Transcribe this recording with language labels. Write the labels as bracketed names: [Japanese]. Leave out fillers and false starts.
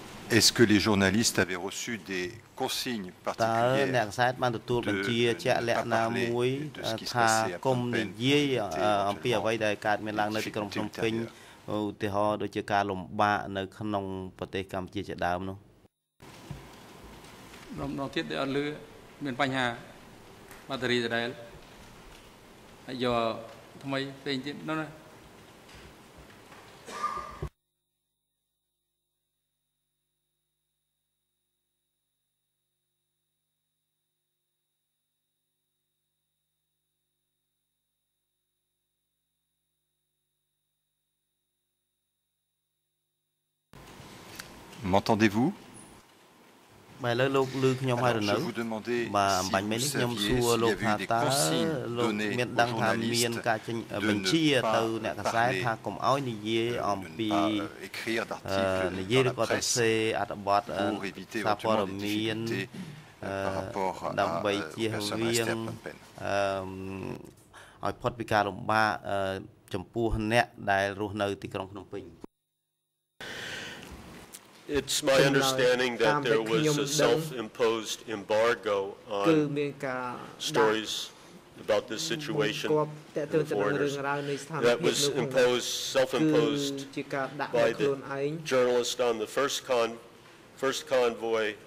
[French] Est-ce que les journalistes avaient reçu des consignes particulières de ne pas parler de ce qui se passait à Phnom Penh pour éventuellement une fuite ultérieure? [English] Or did you have [French] consignes particulières de ne pas parler de ce qui se passait à Phnom Penh pour éventuellement une fuite ultérieure? M'entendez-vous? Alors, je vous demandais si vous saviez s'il y avait eu des consignes données aux journalistes de ne pas parler, de ne pas écrire d'articles dans la presse pour éviter éventuellement des difficultés par rapport aux personnes restées à Phnom Penh. [English] It's my understanding that there was a self-imposed embargo on stories about this situation and the foreigners. That was imposed, self-imposed by the journalist on the first convoy.